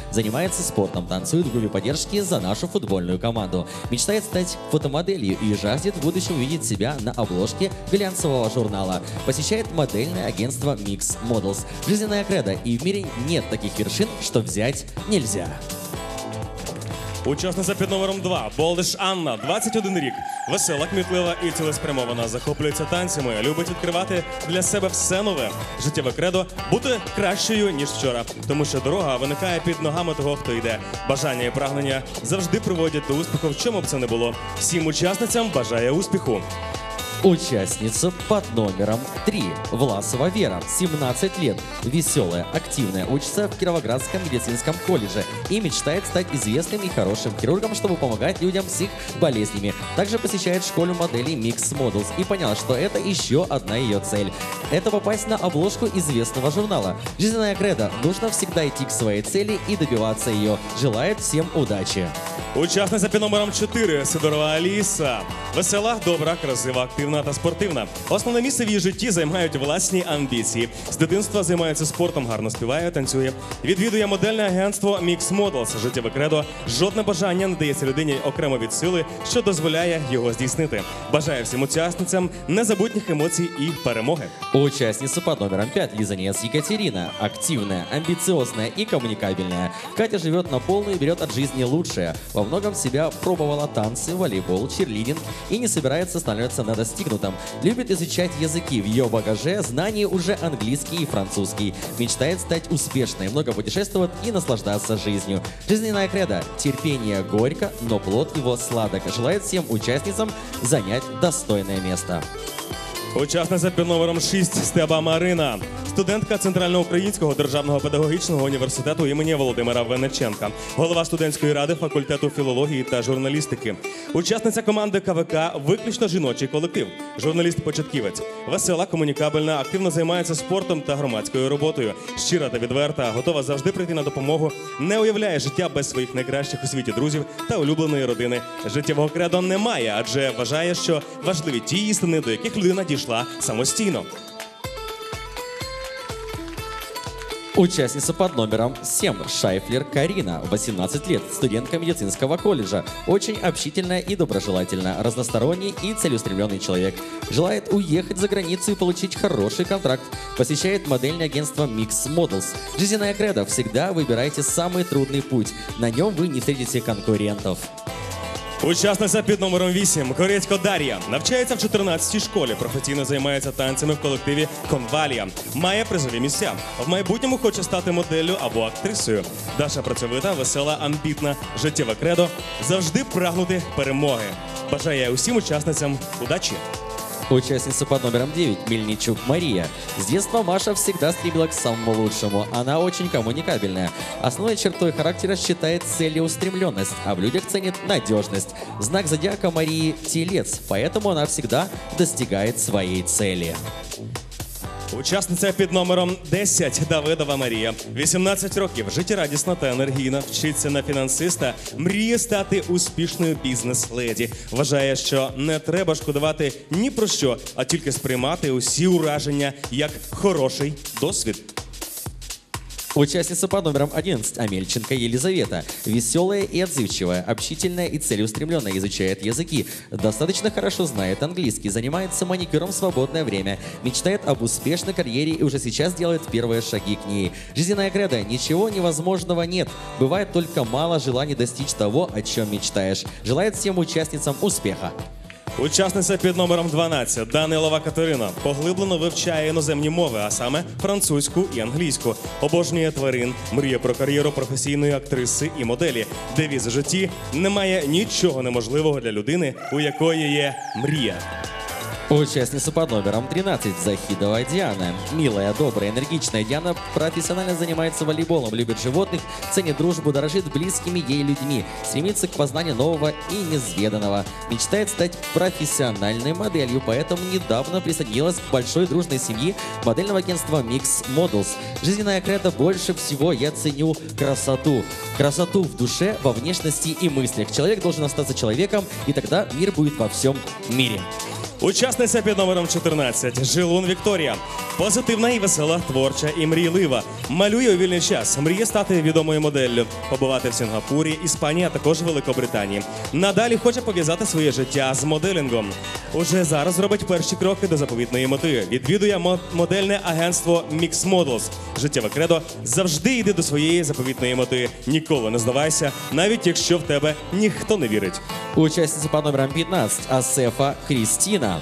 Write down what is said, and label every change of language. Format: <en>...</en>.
<ru>Занимается спортом, танцует в группе поддержки за нашу футбольную команду. Мечтает стать фотомоделью и жаждет в будущем увидеть себя на обложке глянцевого журнала. Посещает модельное агентство Mix Models. Жизненная кредо. И в мире нет таких вершин, что взять нельзя.</ru> <uk>Учасниця під номером 2 – Болдиш Анна, 21 рік. Весела, кмітлива і цілеспрямована. Захоплюється танцями, любить відкривати для себе все нове. Життєве кредо – бути кращою, ніж вчора. Тому що дорога виникає під ногами того, хто йде. Бажання і прагнення завжди приводять до успіху, в чому б це не було. Всім учасницям бажає успіху. Участница под номером 3 – Власова Вера, 17 лет, веселая, активная, учится в Кировоградском медицинском колледже и мечтает стать известным и хорошим хирургом, чтобы помогать людям с их болезнями. Также посещает школу моделей Mix Models и поняла, что это еще одна ее цель – это попасть на обложку известного журнала. Жизненная кредо – нужно всегда идти к своей цели и добиваться ее. Желает всем удачи! Учасниця під номером 4 – Сидорова Аліса. Весела, добра, красива, активна та спортивна. Основне місце в її житті займають власні амбіції. З дитинства займається спортом, гарно співає, танцює. Відвідує модельне агентство Mix Models. Життєве кредо – жодне бажання не дається людині окремо від сили, що дозволяє його здійснити. Бажає всім учасницям незабутніх емоцій і перемоги. Учасниця під номером 5 – Лізанець Екатерина. Активна, амбіціозна і комунікабельна. Катя живе на повну і бере від життя краще.</uk> <ru>Во многом себя пробовала танцы, волейбол, чирлидинг и не собирается останавливаться на достигнутом. Любит изучать языки. В ее багаже знания уже английский и французский. Мечтает стать успешной, много путешествовать и наслаждаться жизнью. Жизненная кредо. Терпение горько, но плод его сладок. Желает всем участницам занять достойное место.</ru> <uk>Учасниця під номером 6 – Стеба Марина. Студентка Центрально-українського державного педагогічного університету імені Володимира Венеченка. Голова студентської ради факультету філології та журналістики. Учасниця команди КВК – виключно жіночий колектив. Журналіст-початківець. Весела, комунікабельна, активно займається спортом та громадською роботою. Щира та відверта, готова завжди прийти на допомогу. Не уявляє життя без своїх найкращих у світі друзів та улюбленої родини. Життєвого кредо немає, адже вважає, що важливі ті істини, до яких людина дійшла самостійно.</uk> <ru>Участница под номером 7 – Шайфлер Карина, 18 лет, студентка медицинского колледжа. Очень общительная и доброжелательная, разносторонний и целеустремленный человек. Желает уехать за границу и получить хороший контракт. Посещает модельное агентство Mix Models. Жизненная кредо – всегда выбирайте самый трудный путь. На нем вы не встретите конкурентов.</ru> <uk>Учасниця під номером 8 – Корецько Дар'я. Навчається в 14-й школі, професійно займається танцями в колективі «Конвалія». Має призові місця. В майбутньому хоче стати моделлю або актрисою. Даша працьовита, весела, амбітна. Життєве кредо – завжди прагнути перемоги. Бажає усім учасницям удачі!</uk> <ru>Участница под номером 9 – Мельничук Мария. С детства Маша всегда стремила к самому лучшему. Она очень коммуникабельная. Основной чертой характера считает целеустремленность, а в людях ценит надежность. Знак зодиака Марии – Телец, поэтому она всегда достигает своей цели.</ru> <uk>Учасниця під номером 10 – Давидова Марія. 18 років, життєрадісна та енергійна, вчиться на фінансиста, мріє стати успішною бізнес-леді. Вважає, що не треба шкодувати ні про що, а тільки сприймати усі ураження як хороший досвід.</uk> <ru>Участница под номером 11 – Амельченко Елизавета. Веселая и отзывчивая, общительная и целеустремленная, изучает языки. Достаточно хорошо знает английский, занимается маникюром в свободное время. Мечтает об успешной карьере и уже сейчас делает первые шаги к ней. Жизненная кредо – ничего невозможного нет. Бывает только мало желаний достичь того, о чем мечтаешь. Желает всем участницам успеха.</ru> <uk>Учасниця під номером 12 – Данилова Катерина. Поглиблено вивчає іноземні мови, а саме французьку і англійську. Обожнює тварин, мріє про кар'єру професійної актриси і моделі. Девіз у житті – немає нічого неможливого для людини, у якої є мрія. Учасниця</uk> <ru>под номером 13 – Захидова Диана. Милая, добрая, энергичная Диана профессионально занимается волейболом, любит животных, ценит дружбу, дорожит близкими ей людьми, стремится к познанию нового и неизведанного. Мечтает стать профессиональной моделью, поэтому недавно присоединилась к большой дружной семье модельного агентства Mix Models. Жизненная кредо – больше всего я ценю красоту. Красоту в душе, во внешности и мыслях. Человек должен остаться человеком, и тогда мир будет во всем мире.</ru> <uk>Учасниця під номером 14 – Жилун Вікторія. Позитивна і весела, творча і мрійлива. Малює у вільний час, мріє стати відомою моделлю, побувати в Сінгапурі, Іспанії, а також Великобританії. Надалі хоче пов'язати своє життя з моделінгом. Уже зараз робить перші кроки до заповітної мети. Відвідує модельне агентство Mix Models. Життєве кредо – завжди йди до своєї заповітної мети. Ніколи не здавайся, навіть якщо в тебе ніхто не вірить. Учасниця під номером 15 – Асефа Христін.</uk>